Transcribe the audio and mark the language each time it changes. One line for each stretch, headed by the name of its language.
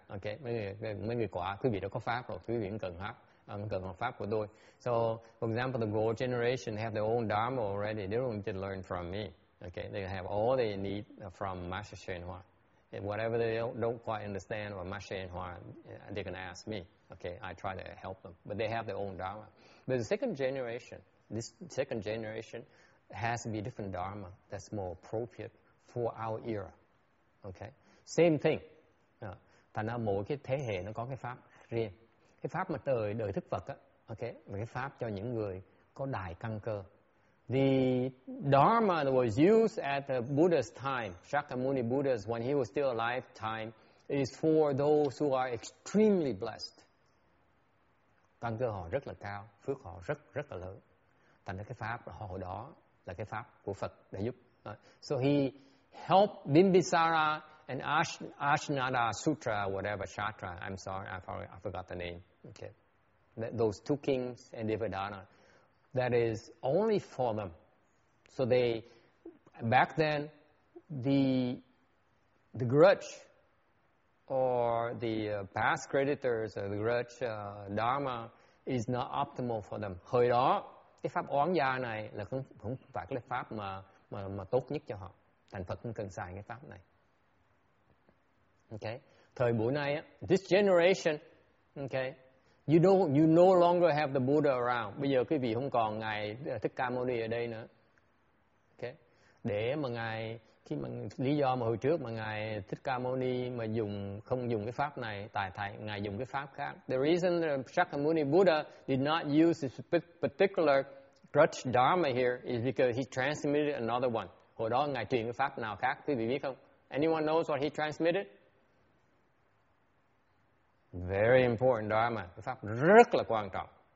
Vietnamese: Okay, mấy người quả, quý vị đó có pháp rồi, quý vị cần học pháp của tôi.
English: So, for example, the gold generation have their own dharma already. They don't need to learn from me. Okay, they have all they need from Master Xuyên Hoa. And whatever they don't quite understand about Master Xuyên Hoa, they can ask me. Okay, I try to help them, but they have their own dharma. But the second generation, this second generation has to be different dharma that's more appropriate for our era. Okay, same thing.
Vietnamese: Thành ra mỗi cái thế hệ nó có cái pháp riêng. Cái pháp mà đời thức Phật á, okay, và cái pháp cho những người có đại căn cơ.
English: The dharma that was used at the Buddha's time, Shakyamuni Buddha's, when he was still alive time, is for those who are extremely blessed.
Vietnamese: Căn cơ họ rất là cao, phước họ rất rất là lớn. Thành ra cái pháp hồi đó là cái pháp của Phật đã giúp.
English: So he helped Bimbisara and Ashnada Sutra, whatever, Shatra, I'm sorry, I forgot the name. Okay. Those two kings and Devadana, that is only for them. So back then, the grudge, or the past creditors or the grudge dharma is not optimal for them.
Vietnamese: Hồi đó, cái pháp oán gia này là không phải cái pháp mà tốt nhất cho họ. Thành Phật không cần xài cái pháp này.
English: Okay.
Vietnamese: Thời buổi này,
English: this generation, okay, you no longer have the Buddha around.
Vietnamese: Bây giờ quý vị không còn ngài Thích Ca Mâu Ni ở đây nữa.
English: Okay.
Vietnamese: Để mà ngài lý do mà hồi trước mà ngài Thích Ca Mâu Ni mà không dùng cái pháp này, tại ngài dùng cái pháp khác.
English: The reason Shakyamuni Buddha did not use this particular grudge dharma here is because he transmitted another one.
Vietnamese: Hồi đó ngài truyền cái pháp nào khác, quý vị biết không?
English: Anyone knows what he transmitted? Very important dharma,
Vietnamese: cái pháp rất là quan trọng.